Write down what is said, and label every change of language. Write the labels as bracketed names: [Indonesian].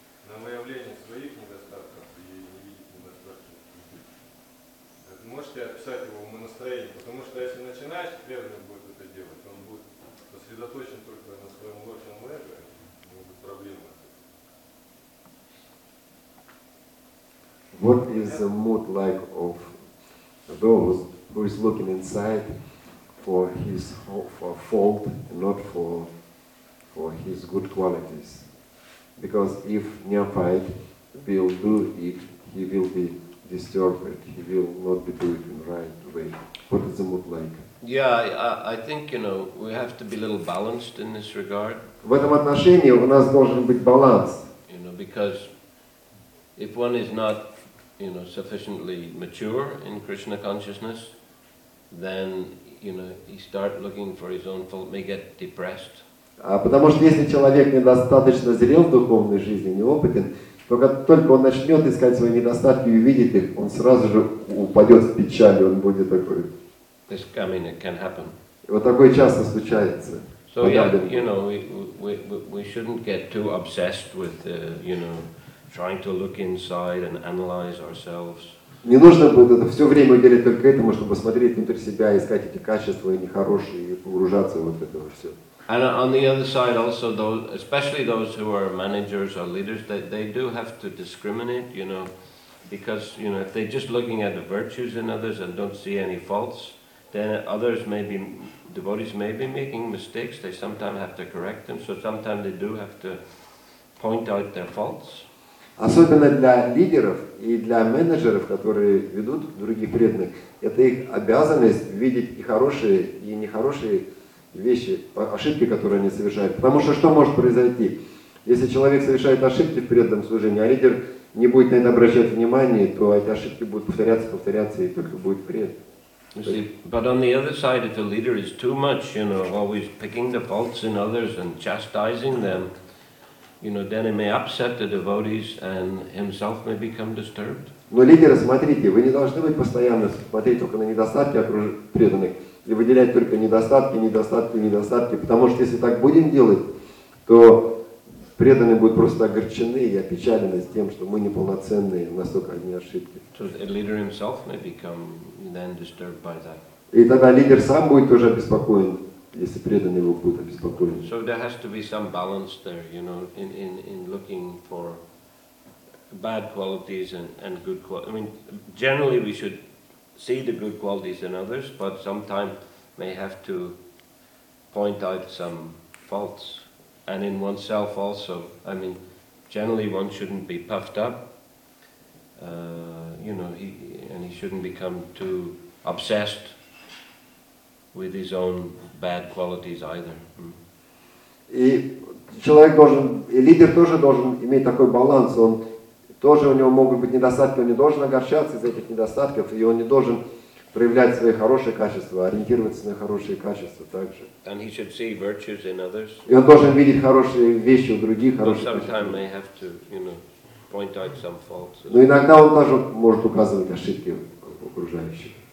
[Russian] на выявление своих недостатков и не видеть недостатков других. Это можете описать его умонастроение, потому что если начинающий преданный будет это делать, он будет сосредоточен только на своем ложном эго, будут проблемы. [English] What is the mood like of those who is looking inside for his for fault, not for his good qualities? Because if neophyte will do it, he will be disturbed. He will not be doing it in the right way. What is the mood like? Yeah, I think you know we have to be a little balanced in this regard. [Russian] В этом отношении у нас должен быть баланс. [English] You know, because if one is not you know, sufficiently mature in Krishna consciousness, then you know he start looking for his own fault, may get depressed. [Russian] Потому что если человек недостаточно зрел в духовной жизни, неопытен, только он начнет искать свои недостатки и увидит их, он сразу же упадет в печаль, он будет такой. [English] This, I mean, it can happen. [Russian] Вот такое часто случается. [English] So yeah, you know, we shouldn't get too obsessed with you know. Trying to look inside and analyze ourselves. [Russian] Не нужно будет все время уделять только этому, чтобы смотреть внутрь себя, искать эти качества нехорошие и погружаться вот в это все. [English] And on the other side, also those, especially those who are managers or leaders, they do have to discriminate, you know, because you know if they're just looking at the virtues in others and don't see any faults, then others may be devotees may be making mistakes. They sometimes have to correct them. So sometimes they do have to point out their faults. [Russian] Особенно для лидеров и для менеджеров, которые ведут других преданных, это их обязанность видеть и хорошие, и нехорошие вещи, ошибки, которые они совершают. Потому что что может произойти? Если человек совершает ошибки в преданном служении, а лидер не будет на это обращать внимание, то эти ошибки будут повторяться, повторяться, и только будет вред. [English] But on the other side, if the leader is too much, you know, always picking the faults in others and chastising them, you know, then it may upset the devotees, and himself may become disturbed. [Russian] Но лидеры, смотрите, вы не должны быть постоянно смотреть только на недостатки окружающих преданных и выделять только недостатки, недостатки, недостатки, потому что если так будем делать, то преданные будут просто огорчены и опечалены тем, что мы неполноценные, у нас только одни ошибки. [English] So the leader himself may become then disturbed by that. [Russian] И тогда лидер сам будет уже обеспокоен. Если преданный его будет обеспокоен. [English] So there has to be some balance there, you know, in looking for bad qualities and good qualities. I mean, generally we should see the good qualities in others, but sometimes may have to point out some faults. And in oneself also, I mean, generally one shouldn't be puffed up, you know, he shouldn't become too obsessed with his own bad qualities either. [Russian] И человек должен, и лидер тоже должен иметь такой баланс. Он тоже у него могут быть недостатки, он не должен огорчаться из-за этих недостатков, и он не должен проявлять свои хорошие качества, ориентироваться на хорошие качества также. [English] And he should see virtues in others. [Russian] И он должен видеть хорошие вещи у других, хорошие. [English] But sometimes they have to, you know, point out some faults. [Russian] Но иногда он даже может указывать ошибки окружающих.